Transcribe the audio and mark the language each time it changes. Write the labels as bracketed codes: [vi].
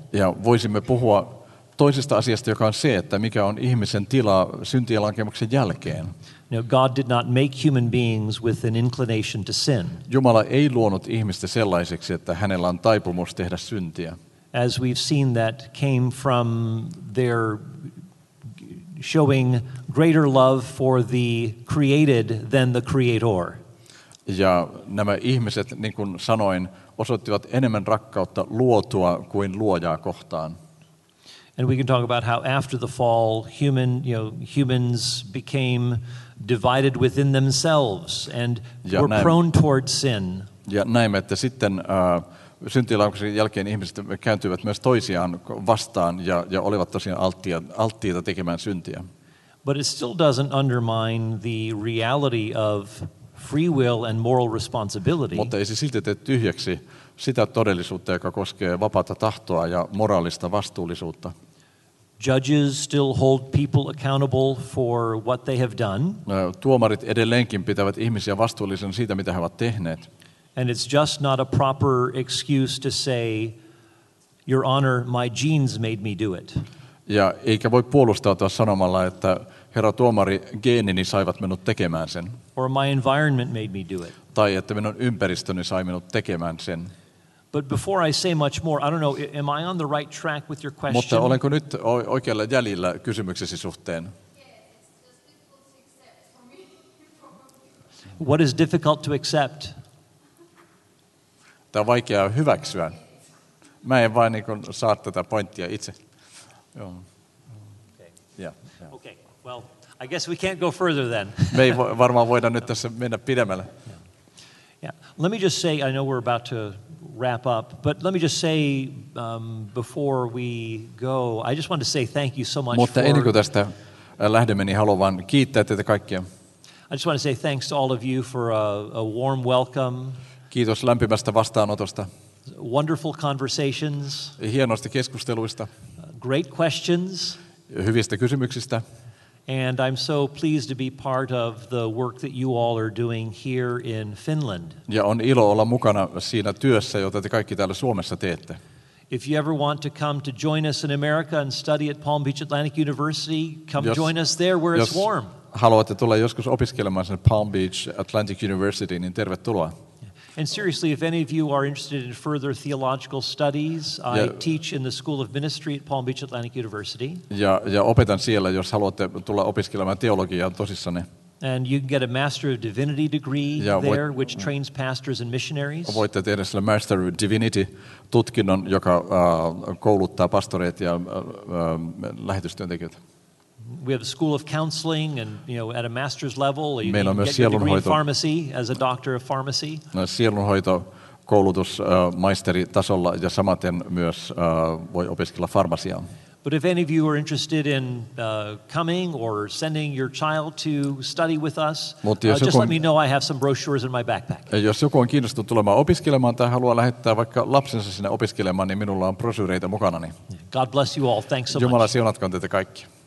[fi] Ja voisimme puhua toisesta asiasta, joka on se, että mikä on ihmisen tila syntien lankemuksen jälkeen. [en] Now, God did not make human beings with an inclination to sin. [fi] Jumala ei luonut ihmistä sellaiseksi, että hänellä on taipumus tehdä syntiä. [en] As we've seen, that came from their showing greater love for the created than the creator. [fi] Ja nämä ihmiset, niin kuin sanoin, osoittivat enemmän rakkautta luotua kuin luojaa kohtaan. [en] And we can talk about how after the fall, humans became divided within themselves and were prone towards sin. [fi] Ja näemme, että sitten syntilankuisen jälkeen ihmiset kääntyivät myös toisiaan vastaan ja olivat tosiaan alttiita tekemään syntiä. [en] But it still doesn't undermine the reality of free will and moral responsibility. [fi] Mutta ei se silti tee tyhjäksi sitä todellisuutta, joka koskee vapaata tahtoa ja moraalista vastuullisuutta. [en] Judges still hold people accountable for what they have done. [fi] Tuomarit edelleenkin pitävät ihmisiä vastuullisina siitä, mitä he ovat tehneet. [en] And it's just not a proper excuse to say, Your Honor, my genes made me do it. [fi] Ja eikä voi puolustautua sanomalla, että herra tuomari, geenini saivat minut tekemään sen. [en] Or my environment made me do it. [fi] Tai että minun ympäristöni sai minut tekemään sen. [en] But before I say much more, I don't know, am I on the right track with your question? [fi] Mutta olenko nyt oikealla jäljellä kysymyksesi suhteen? [en] What is difficult to accept? [fi] Tämä on vaikea hyväksyä. Mä en vain niin kuin saa tätä pointtia itse. [en] Okay. Yeah. Okay. Well, I guess we can't go further then. [fi] Me ei varmaan voida nyt tässä mennä pidemmälle. [en] Yeah. Yeah. Let me just say, I know we're about to wrap up, but let me just say before we go, I just want to say thank you so much. [fi] Mutta ennen kuin tästä lähdemme, niin haluan vain kiittää teitä kaikkia. [en] I just want to say thanks to all of you for a warm welcome. [fi] Kiitos lämpimästä vastaanotosta. [en] Wonderful conversations. [fi] Hienoista keskusteluista. [en] Great questions. [fi] Hyvistä kysymyksistä. [en] And I'm so pleased to be part of the work that you all are doing here in Finland. [fi] Ja on ilo olla mukana siinä työssä, jota te kaikki täällä Suomessa teette. [en] If you ever want to come to join us in America and study at Palm Beach Atlantic University, come join us there where it's warm. [fi] Haluatte tulla joskus opiskelemaan sen Palm Beach Atlantic University, niin tervetuloa. [en] And seriously, if any of you are interested in further theological studies, I teach in the School of Ministry at Palm Beach Atlantic University. [fi] Ja opetan siellä, jos haluatte tulla opiskelemaan teologiaa tosissanne. [en] And you can get a Master of Divinity degree there, which trains pastors and missionaries. [fi] Voitte tehdä sillä Master of Divinity-tutkinnon, joka kouluttaa pastoreita ja lähetystyöntekijöitä. [en] We have a school of counseling and you know at a master's level you can get a degree in pharmacy as a doctor of pharmacy. [fi] Sielunhoito koulutus maisteri tasolla ja samaten myös voi opiskella farmasiaa. [en] But if any of you are interested in coming or sending your child to study with us, just let me know. I have some brochures in my backpack. [fi] Jos joku on kiinnostunut tulemaan opiskelemaan tai haluaa lähettää vaikka lapsensa sinne opiskelemaan, niin minulla on brosyyreitä mukanani. [en] God bless you all. Thanks so much. [fi] Jumala siunatkoon teitä kaikki.